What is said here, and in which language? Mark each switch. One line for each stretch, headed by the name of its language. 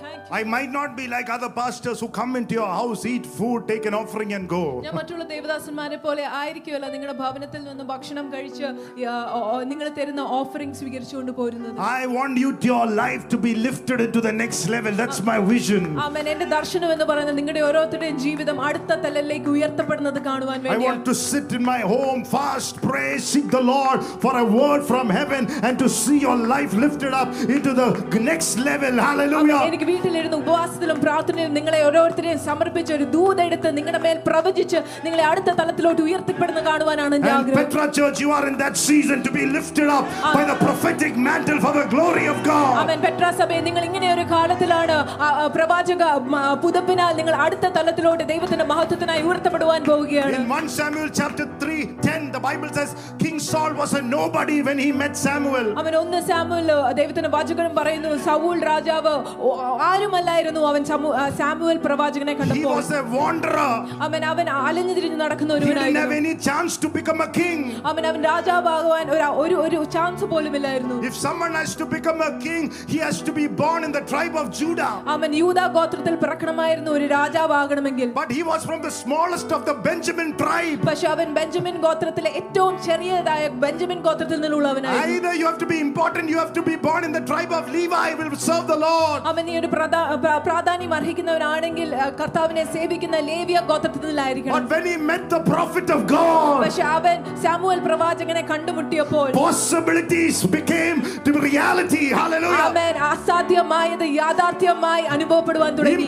English: I might not be like other pastors who come into your house, eat food, take an offering and go.
Malayalam: ഞാൻ മറ്റുള്ള ദേവദാസന്മാരെ പോലെ ആയിരിക്കില്ല നിങ്ങളുടെ ഭവനത്തിൽ നിന്ന് ഭക്ഷണം കഴിച്ച് നിങ്ങൾ തരുന്ന ഓഫറിംഗ് സ്വീകരിച്ചുകൊണ്ട് പോരുന്നത്.
English: I want you to your life to be lifted into the next level. That's my vision. Amen.
Malayalam: എൻ്റെ ദർശനം എന്ന് പറയുന്നത് നിങ്ങളുടെ ഓരോരുത്തരുടെയും ജീവിതം അടുത്ത തലത്തിലേക്ക് ഉയർത്തപ്പെടുന്നത് കാണുവാൻ വേണ്ടിയാണ്.
English: I want to sit in my home, fast, pray, seek the Lord for a word from heaven and to see your life lifted up into the next level. Hallelujah.
Malayalam: എനിക്ക് വീട്ടിലിരുന്ന് ഉപവാസത്തിലും പ്രാർത്ഥനയിലും നിങ്ങളെ ഓരോരുത്തരെയും സമർപ്പിച്ച് ഒരു ദൂതെടുത്ത് നിങ്ങളുടെ മേൽ പ്രവചിച്ച് നിങ്ങളെ അടുത്ത തലത്തിലോട്ട് ഉയർത്തപ്പെടുന്നത് കാണുവാനാണ് എൻ്റെ ആഗ്രഹം.
English: Petra Church, you are in that season to be lifted up by the prophetic mantle for the glory of God. Amen.
Malayalam: Petra സഭയെ നിങ്ങൾ ഇങ്ങനെ ഒരു കാലത്തിലാണ് പ്രവാചക പുതപ്പിനാൽ നിങ്ങൾ അടുത്ത തലത്തിലോട്ട് ദൈവത്തിന്റെ മഹത്വത്തിനായി ഉയർത്തപ്പെടുവാൻ പോവുകയാണ്.
English: Samuel chapter 3:10 the Bible says King Saul was a nobody when he met Samuel.
Malayalam: അവൻ ഒന്ന് സാമുവേൽ ദൈവത്തിന്റെ വചനം പറയുന്നു സൗൽ രാജാവ് ആരുമല്ലായിരുന്നു അവൻ സാമുവേൽ പ്രവാചകനെ കണ്ടപ്പോൾ.
English: He was a wanderer.
Malayalam: അവൻ അലഞ്ഞു തിരിഞ്ഞു നടക്കുന്ന ഒരുവനായിരുന്നു.
English: He didn't have any chance to become a king.
Malayalam: അവൻ രാജാവാകാൻ ഒരു ഒരു ചാൻസ് പോലും ഇല്ലായിരുന്നു.
English: If someone has to become a king, he has to be born in the tribe of Judah.
Malayalam: അവൻ യൂദാ ഗോത്രത്തിൽ പിറക്കണമായിരുന്നു ഒരു രാജാവാകണമെങ്കിൽ.
English: But he was from the smallest of the Benjamin tribe.
Malayalam: പക്ഷേ അവൻ ബെഞ്ചമിൻ ഗോത്രത്തിലെ ഏറ്റവും ചെറിയതായ ബെഞ്ചമിൻ ഗോത്രത്തിൽ നിന്നുള്ളവനായിരുന്നു.
English: Either you have to be important, you have to be born in the tribe of Levi, will serve the Lord.
Malayalam: അവൻ ഈ ഒരു പ്രാധാന്യം അർഹിക്കുന്നവനാണെങ്കിൽ കർത്താവിനെ സേവിക്കുന്ന ലേവിയ ഗോത്രത്തിൽ നിന്നായിരിക്കണം.
English: But when he met the prophet of God,
Malayalam: പക്ഷേ അവൻ സാമുവൽ പ്രവാചകനെ കണ്ടുമുട്ടിയപ്പോൾ
English: possibilities became to be reality. Hallelujah.
Malayalam: ആമേൻ. അസാധ്യമായത് യാഥാർത്ഥ്യമായി അനുഭവപ്പെടുവാൻ തുടങ്ങി.